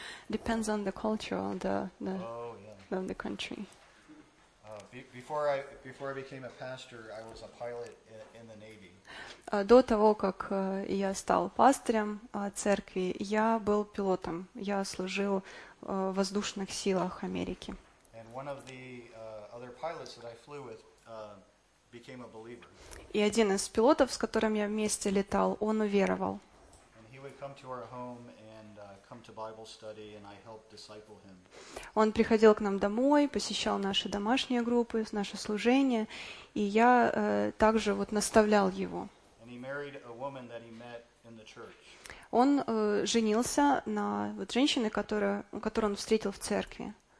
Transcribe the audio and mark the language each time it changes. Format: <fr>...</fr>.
<en>Depends on the culture, the country. Before I became a pastor, I was a pilot in the Navy.</en> <ru>До того, как я стал пастырем церкви, я был пилотом. Я служил в воздушных силах Америки.</ru> <en>And one of the other pilots that I flew with became a believer.</en> <ru>И один из пилотов, с которым я вместе летал, он уверовал.</ru> <en>And he would come to our home and come to Bible study, and I helped disciple him.</en> <ru>Он приходил к нам домой, посещал наши домашние группы, наше служение, и я также вот наставлял его.</ru> <en>And he married a woman that he met in the church.</en> <ru>Он женился на вот женщине, которую он встретил в церкви.</ru>